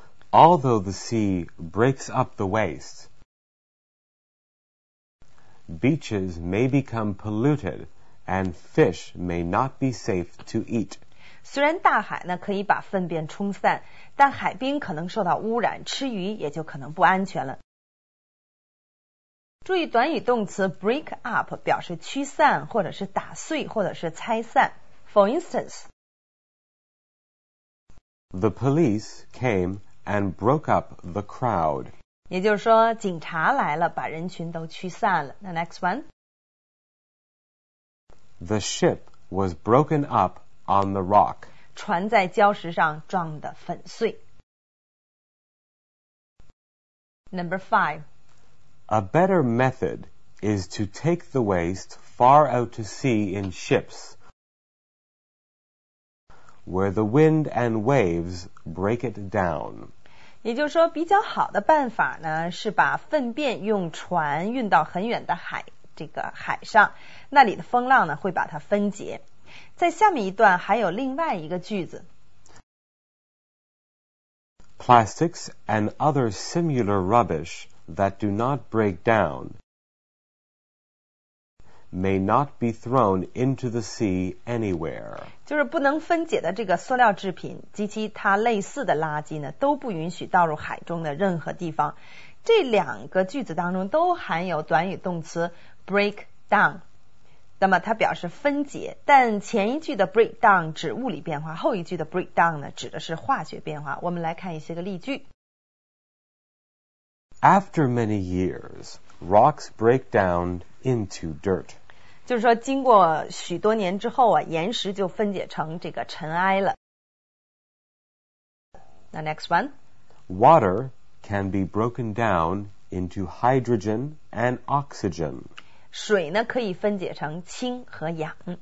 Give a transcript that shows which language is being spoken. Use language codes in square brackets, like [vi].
[en] Although the sea breaks up the waste Beaches may become polluted And fish may not be safe to eat. [zh] 虽然大海呢可以把粪便冲散，但海滨可能受到污染，吃鱼也就可能不安全了。注意短语动词 [en] break up [zh] 表示驱散或者是打碎或者是拆散。 [en] For instance, The police came and broke up the crowd. [zh] 也就是说，警察来了，把人群都驱散了。 [en] The next one. The ship was broken up on the rock. [zh] 船在礁石上撞得粉碎。 [en] Number five. A better method is to take the waste far out to sea in ships, where the wind and waves break it down. [zh] 也就是说比较好的办法呢是把粪便用船运到很远的海。这个海上那里的风浪呢会把它分解在下面一段还有另外一个句子 [en] Plastics and other similar rubbish that do not break down may not be thrown into the sea anywhere. [zh] 就是不能分解的这个塑料制品及其它类似的垃圾呢都不允许倒入海中的任何地方。这两个句子当中都含有短语动词 [en] break down。 [zh] 那么它表示分解，但前一句的 [en] break down [zh] 指物理变化，后一句的 break down 呢指的是化学变化。我们来看一些个例句。 [en] After many years, rocks break down into dirt. [zh] 就是说经过许多年之后啊，岩石就分解成这个尘埃了。 [en] Now next one. Water can be broken down into hydrogen and oxygen. [zh] 水呢可以分解成氢和氧。